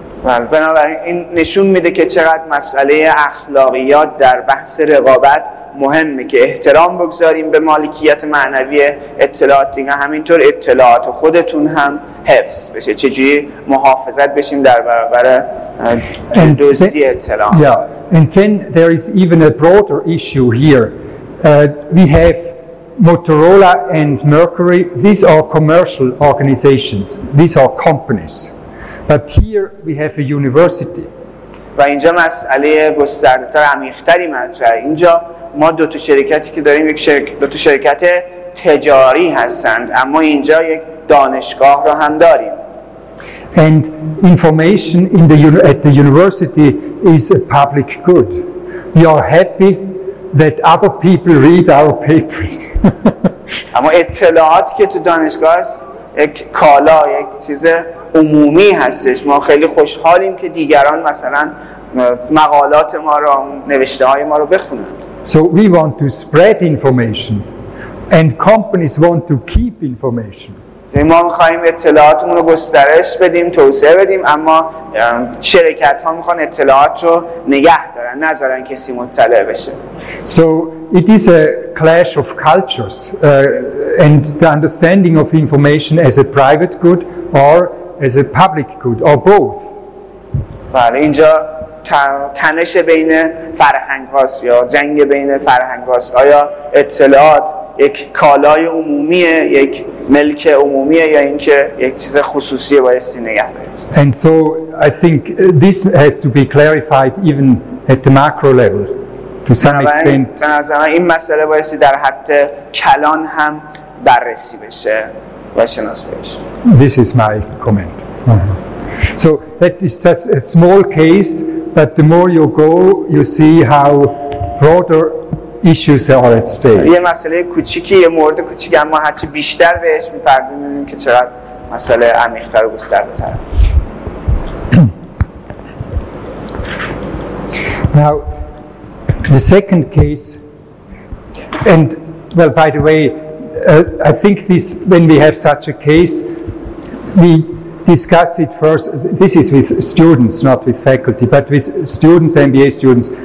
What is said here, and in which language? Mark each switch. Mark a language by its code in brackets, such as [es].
[fa] بنابراین این نشون میده که چقدر مسئله اخلاقیات در بحث رقابت مهمه که احترام بگذاریم به مالکیت معنوی اطلاعات دیگه، همینطور اطلاعات خودتون هم حفظ بشه، چجوری محافظت بشیم در برابر دزدی اطلاعات. [en] Yeah, and then there is even a broader issue here. We have Motorola and Mercury. These are commercial organizations. These are companies. But here we have a university. [fa] و اینجا مسئله گسترده‌تر عمیق‌تری مطرحه. اینجا ما دو تا شرکتی که داریم، یک شرکت دو تا شرکت تجاری هستند، اما اینجا یک دانشگاه رو هم داریم. [en] And information in the at the university is a public good. We are happy that other people read our papers. [fa] اما اطلاعات که تو دانشگاه است یک کالا، یک چیز عمومی هستش. ما خیلی خوشحالیم که دیگران مثلا مقالات ما رو، نوشته های ما رو بخونند. [en] So we want to spread information and companies want to keep information. [fa] ما می‌خوایم اطلاعاتمون رو گسترش بدیم، توسعه بدیم، اما شرکت‌ها می‌خوان اطلاعات رو نگه دارن، نذارن کسی مطلع بشه. [en] So it is a clash of cultures and the understanding of information as a private good or as a public good or both. [fa] بله، اینجا تنش بین فرهنگ‌هاست یا جنگ بین فرهنگ‌هاست. آیا اطلاعات یک کالای عمومیه، یک ملک عمومیه، یا اینکه یک چیز خصوصیه بایستی نگه دارید؟ [en] And so I think this has to be clarified even at the macro level to some extent. [fa] این مسئله بایستی در حد کلان هم بررسی بشه و شناسه بشه. [en] This is my comment. So that is just a small case, but the more you go, you see how broader issues are at stake. [fa] یه مسئله کوچیکی، یه مورد کوچیک، اما حتی بیشتر بهش می‌پردازیم می‌بینیم که چقدر مسئله عمیق‌تر و گسترده‌تر. [en] Now, the second case, and well, by the way, I think this when we have such a case, we discuss it first. This is with students, not with faculty, but with students, MBA students.